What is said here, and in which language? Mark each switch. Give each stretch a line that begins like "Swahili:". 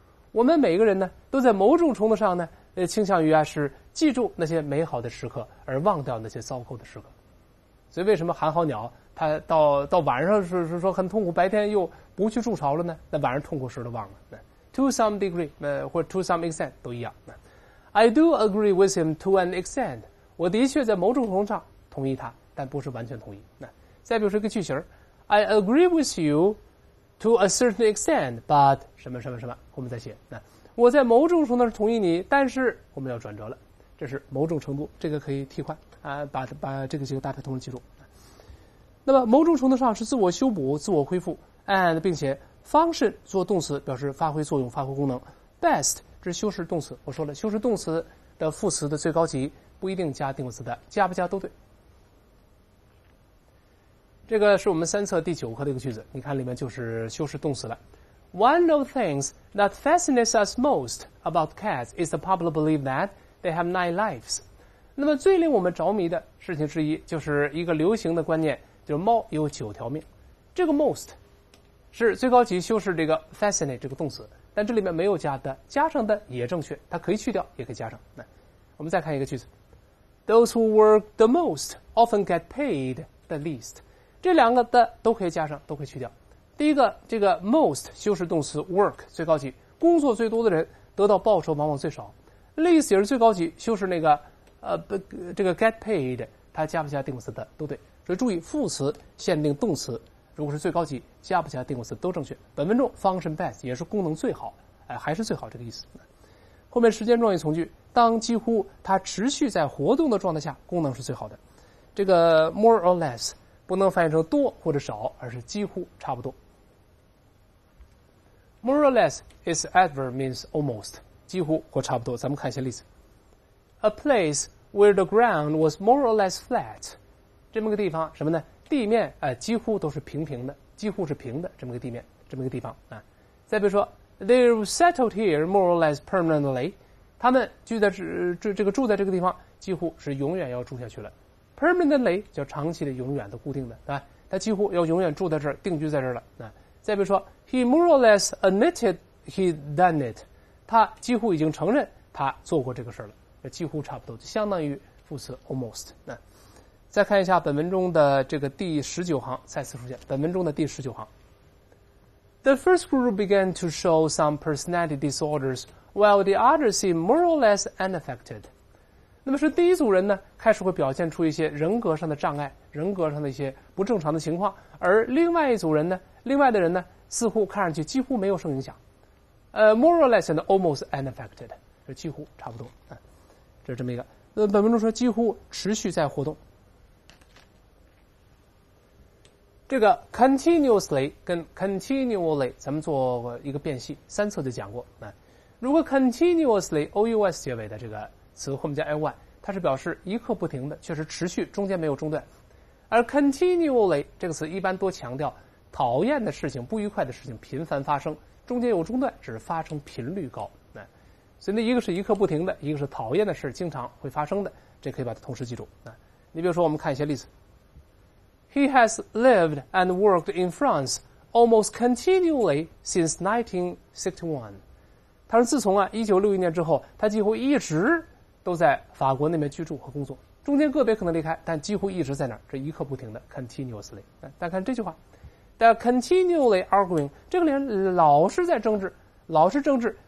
Chinese: 我们每个人呢，都在某种程度上呢，倾向于啊是记住那些美好的时刻，而忘掉那些糟糕的时刻。所以为什么寒号鸟它到晚上是说很痛苦，白天又不去筑巢了呢？那晚上痛苦时都忘了。
English: To some degree，
Chinese: 或者
English: to some extent
Chinese: 都一样。
English: I do agree with him to an extent。
Chinese: 我的确在某种程度上同意他，但不是完全同意。再比如说一个句型 ，
English: I agree with you to a certain extent, but
Chinese: 什么什么什么，后面再写。我在某种程度上同意你，但是我们要转折了，这是某种程度，这个可以替换啊，把这个几个搭配同时记住。那么某种程度上是自我修补、自我恢复 ，and 并且 function 做动词表示发挥作用、发挥功能 ，best 这是修饰动词。我说了，修饰动词的副词的最高级不一定加定冠词的，加不加都对。这个是我们三册第九课的一个句子，你看里面就是修饰动词了。
English: One of the things that fascinates us most about cats is the popular belief that they have 9 lives。
Chinese: 那么最令我们着迷的事情之一，就是一个流行的观念，就是猫有九条命。这个 most 是最高级修饰这个 fascinate 这个动词，但这里面没有加的，加上的也正确，它可以去掉也可以加上。来，我们再看一个句子，
English: Those who work the most often get paid the least。
Chinese: 这两个的都可以加上，都可以去掉。第一个，这个 most 修饰动词 work 最高级，工作最多的人得到报酬往往最少。 least 也是最高级修饰那个这个 get paid， 它加不加定冠词的都对，所以注意副词限定动词，如果是最高级，加不加定冠词都正确。本文中 function best 也是功能最好，还是最好这个意思。后面时间状语从句，当几乎它持续在活动的状态下，功能是最好的。这个 more or less 不能翻译成多或者少，而是几乎差不多。
English: more or less is adverb means almost，
Chinese: 几乎或差不多。咱们看一下例子。
English: A place where the ground was more or less flat，
Chinese: 这么个地方什么呢？地面几乎都是平平的，几乎是平的这么个地面，这么个地方啊。再比如说 ，
English: They settled here more or less permanently，
Chinese: 他们居在住在这个地方，几乎是永远要住下去了。 Permanently 叫长期的、永远的、固定的，对吧？他几乎要永远住在这儿，定居在这儿了啊。再比如说 ，
English: He more or less admitted he done it，
Chinese: 他几乎已经承认他做过这个事了。几乎差不多，就相当于副词 almost。再看一下本文中的这个第十九行，再次出现本文中的第十九行。
English: The first group began to show some personality disorders, while the others seem more or less unaffected。
Chinese: 那么是第一组人呢，开始会表现出一些人格上的障碍，人格上的一些不正常的情况，而另外一组人呢，另外的人呢，似乎看上去几乎没有受影响。
English: More or less and almost unaffected，
Chinese: 就几乎差不多。这是这么一个，本文中说几乎持续在活动。这个 continuously 跟 continually 咱们做过一个辨析，三册就讲过啊。如果 continuously ous 结尾的这个词后面加 ly， 它是表示一刻不停的，确实持续，中间没有中断。而 continually 这个词一般多强调讨厌的事情、不愉快的事情频繁发生，中间有中断，只是发生频率高。所以那一个是一刻不停的，一个是讨厌的事经常会发生的，这可以把它同时记住。你比如说我们看一些例子。
English: He has lived and worked in France almost continually since 1961.
Chinese: 他说自从啊1961年之后，他几乎一直都在法国那边居住和工作。中间个别可能离开，但几乎一直在那儿，这一刻不停的 continuously。大家看这句话。
English: The continually arguing,
Chinese: 这个人老是在争执，老是争执。